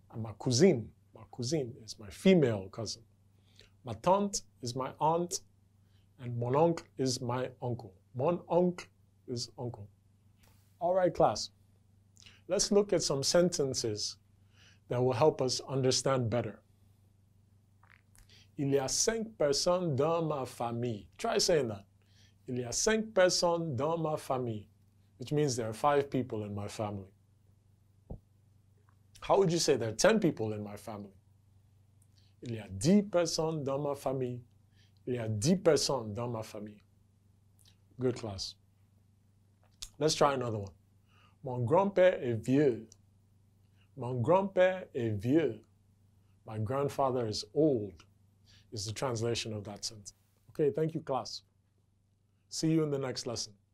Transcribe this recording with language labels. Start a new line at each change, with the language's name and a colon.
English: And my cousine is my female cousin. Ma tante is my aunt. And mon oncle is my uncle. Mon oncle is uncle. All right, class. Let's look at some sentences that will help us understand better.
French: Il y a cinq personnes dans ma famille.
English: Try saying that.
French: Il y a cinq personnes dans ma famille,
English: which means there are five people in my family. How would you say there are 10 people in my family?
French: Il y a 10 personnes dans ma famille. Il y a 10 personnes dans ma famille.
English: Good class. Let's try another one.
French: Mon grand-père est vieux. Mon grand-père est vieux.
English: My grandfather is old is the translation of that sentence. Okay, thank you, class. See you in the next lesson.